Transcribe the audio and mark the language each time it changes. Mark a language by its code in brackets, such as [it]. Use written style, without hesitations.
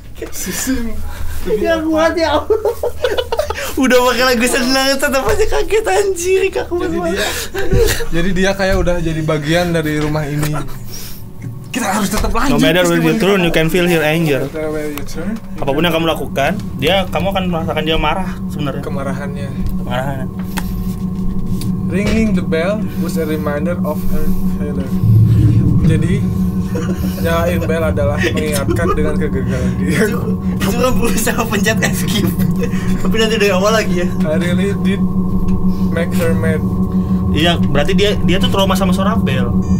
[id] Sisim. Ya kuat ya Allah. Udah pakai lagu senang tetap aja kaget anjir kak. Jadi dia kayak udah jadi bagian dari rumah ini. Kita harus tetap lanjut. [en] No matter where you turn, you can feel your anger. [id] Apapun yang kamu lakukan, dia kamu akan merasakan dia marah sebenarnya. Kemarahannya. [en] Ringing the bell was a reminder of her failure. [id] Jadi nyalain bel adalah mengingatkan dengan kegagalan dia. Itu kan berusaha pencet escape. Tapi nanti dari awal lagi ya. [en] I really did make her mad. [id] Iya, berarti dia tuh trauma sama suara bel.